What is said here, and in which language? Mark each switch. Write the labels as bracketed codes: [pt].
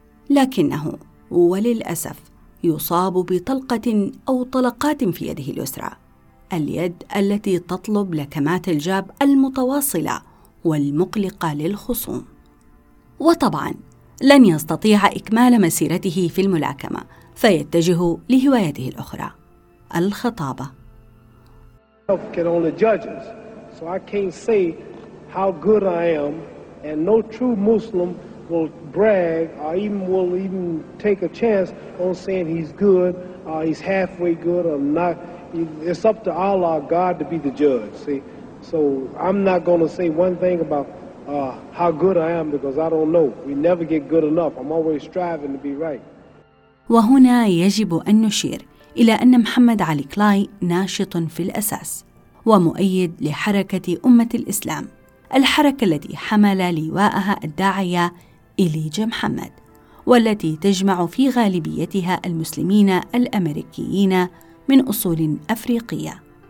[ar] لكنه وللأسف يصاب بطلقة أو طلقات في يده اليسرى، اليد التي تطلب لكمات الجاب المتواصلة والمقلقة للخصوم. وطبعا لن يستطيع إكمال مسيرته في الملاكمة، فيتجه لهوايته الأخرى، الخطابة. [en] Can only judges, so I can't say how good I am And no true Muslim will brag or will even take a chance on saying he's good or he's halfway good or not. It's up to Allah, God, to be the judge, see? So I'm not going to say one thing about how good I am because I don't know. We never get good enough. I'm always striving to be right. [ar] وهنا يجب أن نشير إلى أن محمد علي كلاي ناشط في الأساس ومؤيد لحركة أمة الإسلام، الحركة التي حمل لواءها الداعية إليجا محمد، والتي تجمع في غالبيتها المسلمين الأمريكيين من أصول أفريقية.